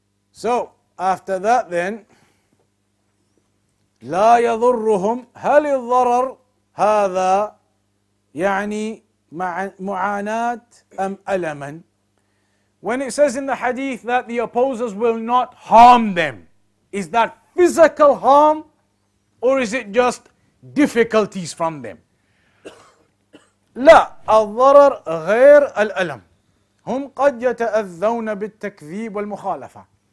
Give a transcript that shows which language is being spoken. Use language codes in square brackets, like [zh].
[en] So after that then, [ar] لا يضرهم هل الضرر هذا يعني معاناة أم ألما. [en] When it says in the hadith that the opposers will not harm them, is that physical harm or is it just difficulties from them? [ar] لا الضرر غير الألم هم قد يتأذون بالتكذيب والمخالفة.